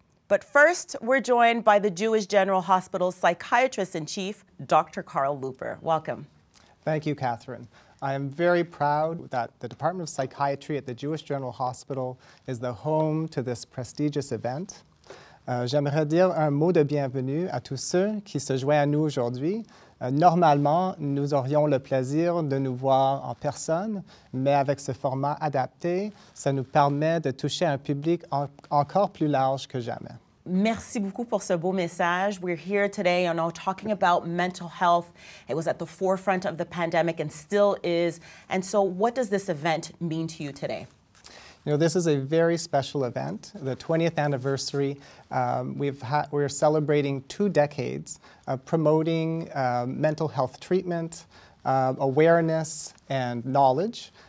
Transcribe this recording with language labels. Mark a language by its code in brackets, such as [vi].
[en] But first, we're joined by the Jewish General Hospital's psychiatrist-in-chief, Dr. Karl Looper. Welcome. Thank you, Catherine. I am very proud that the Department of Psychiatry at the Jewish General Hospital is the home to this prestigious event. [fr] J'aimerais dire un mot de bienvenue à tous ceux qui se joignent à nous aujourd'hui. Normalement, nous aurions le plaisir de nous voir en personne, mais avec ce format adapté, ça nous permet de toucher un public encore plus large que jamais. Merci beaucoup pour ce beau message. [en] We're here today, you know, talking about mental health. It was at the forefront of the pandemic and still is. And so what does this event mean to you today? You know, this is a very special event, the 20th anniversary. We're celebrating two decades of promoting mental health treatment, awareness, and knowledge.